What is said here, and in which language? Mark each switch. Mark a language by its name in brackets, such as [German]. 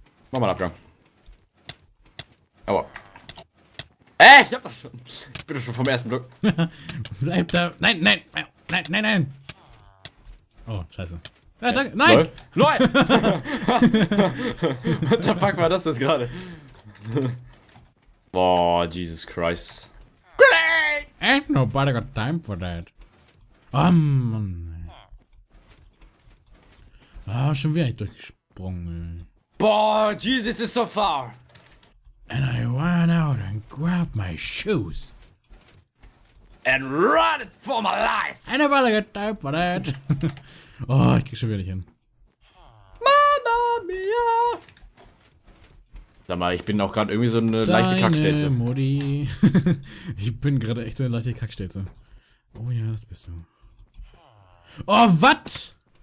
[German] Mach mal einen Abgang. Aua. Ich hab das schon. Ich bin doch schon vom ersten Block. Bleib da. Nein. Oh, scheiße. Ja, danke. Nein! Lol! [English] What the fuck [German] war das jetzt gerade? [English] Boah, Jesus Christ. Great! Ain't nobody got time for that. [German] Mann. Ah, schon wieder ich durchgesprungen. [English] Boah, Jesus is so far. And I ran out and grabbed my shoes. And run for my life! Ain't nobody got time for that. [German] Oh, ich krieg schon wieder nicht hin. Mama mia! Sag mal, ich bin auch gerade irgendwie so eine leichte Kackstelze. Modi. Ich bin gerade echt so eine leichte Kackstelze. Oh ja, das bist du. Oh, was?